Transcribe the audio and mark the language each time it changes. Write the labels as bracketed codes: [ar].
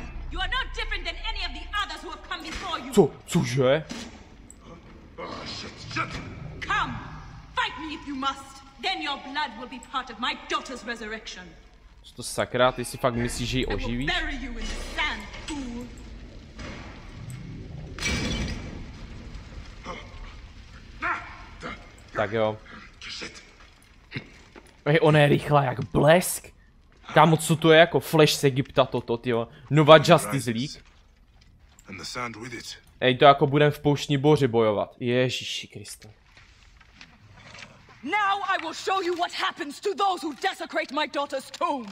[en] You are no different than any of the others who have come before you. [cs] Co? Cože? [en] Oh, shit, shit. Come. Fight me if you must. Then your blood will be part of my daughter's resurrection. [cs] Co to sakra, ty si fakt myslíš, že ji oživíš? [en] I will bury you in the sand, fool. [cs] Tak jo. Hej, ona je rychlá jak blesk. Kámo, co to je jako Flash z Egypta toto, tyjo. Nova Justice League. Hej, to jako budem v pouštní boři bojovat. Ježíši Kriste. [en] Now I will show you what happens to those who desecrate my daughter's tomb.